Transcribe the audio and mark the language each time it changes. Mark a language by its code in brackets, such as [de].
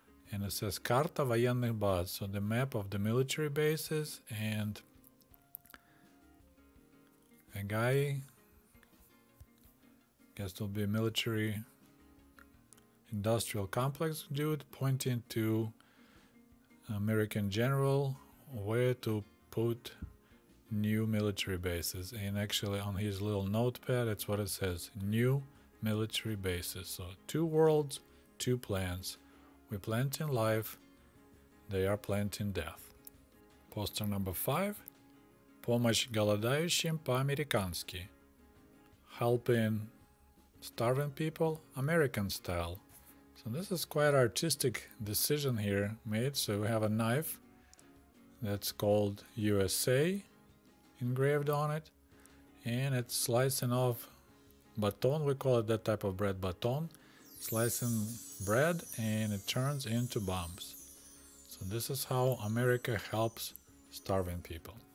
[en] And it says, [ru] Карта военных баз, [en] so the map of the military bases, and a guy, guess it'll be a military industrial complex dude, pointing to American general where to put new military bases. And actually on his little notepad, that's what it says, new military bases. So two worlds, two plans. We plant in life, they are planting death. Poster number five. [ru] Помощь голодающим по-американски. [en] Helping starving people American style. So this is quite artistic decision here made. So we have a knife that's called USA engraved on it, and it's slicing off baton, we call it that type of bread, baton, slicing bread, and it turns into bombs. So this is how America helps starving people.